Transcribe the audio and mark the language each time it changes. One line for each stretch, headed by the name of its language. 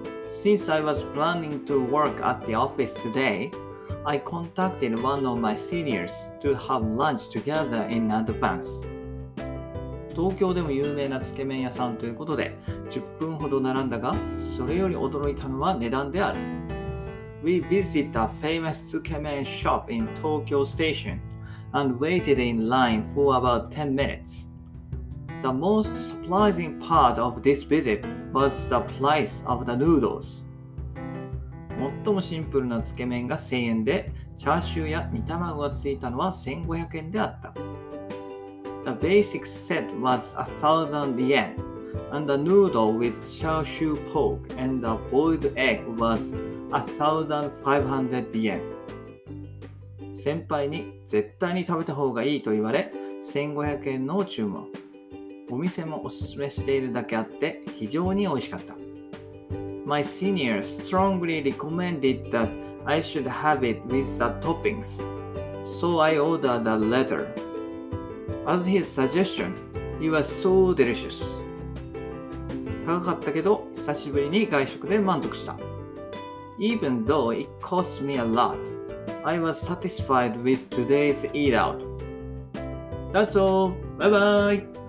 English: Since I was planning to work at the office today, I contacted one of my seniors to have lunch together in advance.
Japanese: 東京でも有名なつけ麺屋さんということで10分ほど並んだが、それより驚いたのは値段である。
English: We visited a famous つけ麺 shop in Tokyo Station and waited in line for about 10 minutes. The most surprising part of this visit was the price of the noodles.
Japanese: 最もシンプルなつけ麺が1000円で、チャーシューや煮卵がついたのは1500円であった。
English: The basic set was 1,000 yen, and the noodle with shaoshu pork and the boiled egg was 1,500 yen.
Japanese: 先輩に絶対に食べた方がいいと言われ、1,500 円の注文。お店もおすすめしているだけあって、非常に美味しかった。
English: My senior strongly recommended that I should have it with the toppings, so I ordered the latter. As his suggestion, it was so delicious.
Japanese: 高かったけど、久しぶりに外食で満足した。
English: Even though it cost me a lot, I was satisfied with today's eat out. That's all. Bye bye.